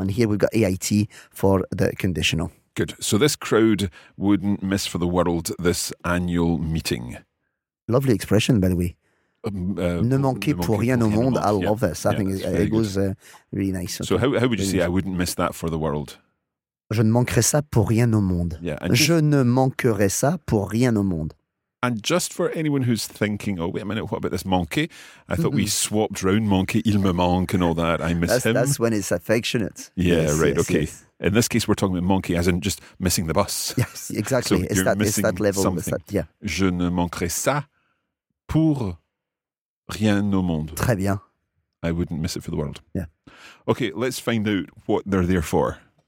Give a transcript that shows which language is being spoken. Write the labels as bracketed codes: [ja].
[en] And here we've got A-I-T for the conditional. Good. So this crowd wouldn't miss for the world this annual meeting. Lovely expression, by the way. [fr] Ne manquez pour rien au monde. [en] I love this. I think it goes really nice. Okay. So how would you say I wouldn't miss that for the world? [fr] Je ne manquerai ça pour rien au monde. Je ne manquerai ça pour rien au monde. [en] And just for anyone who's thinking, oh, wait a minute, what about this monkey? I thought we swapped round monkey, [fr] il me manque [en] and all that. I miss him. That's when it's affectionate. Yeah, yes, right, yes, okay. Yes. In this case, we're talking about monkey as in just missing the bus. Yes, exactly. So it's that level. [fr] Je ne manquerai ça pour rien au monde. Très bien. [en] I wouldn't miss it for the world. Yeah. Okay, let's find out what they're there for.